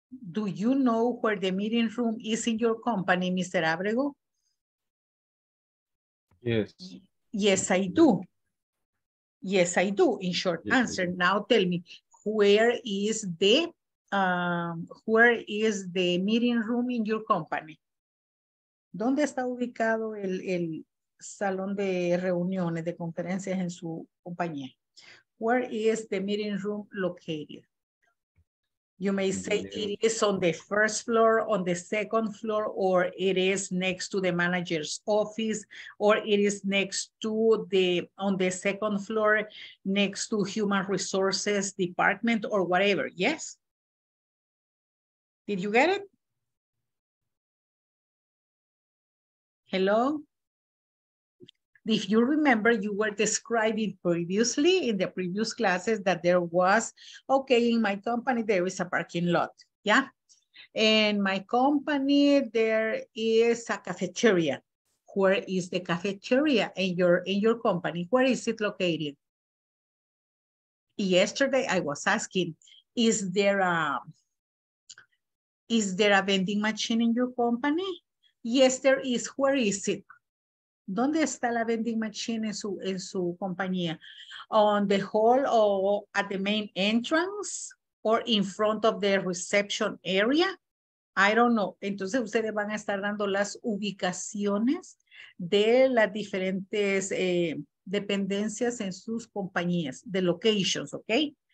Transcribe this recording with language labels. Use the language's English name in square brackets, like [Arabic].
[English] Do you know where the meeting room is in your company, Mr. Abrego? Yes. Yes, I do. Yes, I do, in short yes, answer. Now tell me, where is the meeting room in your company? [Spanish] ¿Dónde está ubicado el salón de reuniones, de conferencias en su compañía? [English] Where is the meeting room located? You may say it is on the first floor, on the second floor, or it is next to the manager's office, or it is next to the, on the second floor, next to human resources department or whatever. Yes? Did you get it? Hello? If you remember, you were describing previously in the previous classes that there was, okay, in my company, there is a parking lot, yeah? In my company, there is a cafeteria. Where is the cafeteria in your company? Where is it located? Yesterday, I was asking, is there a vending machine in your company? Yes, there is. Where is it? [Spanish] ¿Dónde está la vending machine en su compañía? [English] On the hall or at the main entrance or in front of the reception area? I don't know. [Spanish] Entonces ustedes van a estar dando las ubicaciones de las diferentes dependencias en sus compañías, [English] the locations, [Spanish] okay?